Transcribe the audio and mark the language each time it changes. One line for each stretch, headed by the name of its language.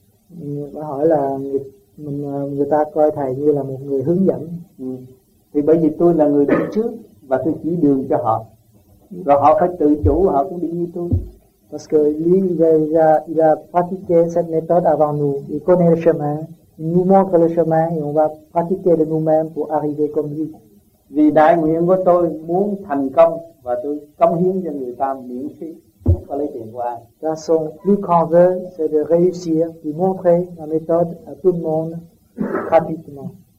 Vietnamese: Người hỏi là người ta coi thầy như là một người hướng dẫn. Thì bởi vì tôi là người đi trước và tôi chỉ đường cho họ, rồi họ phải tự chủ, họ cũng đi như tôi.
French: Parce que lui il a pratiqué cette méthode avant nous. Il connaît le chemin, il nous montre le chemin et on va pratiquer de nous-mêmes pour arriver comme lui.
Vietnamese: Vì đại nguyện của tôi muốn thành công và tôi cống hiến cho người ta miễn phí.
French: Dans son plus grand vœu, c'est de réussir, de montrer la méthode à tout le monde rapidement.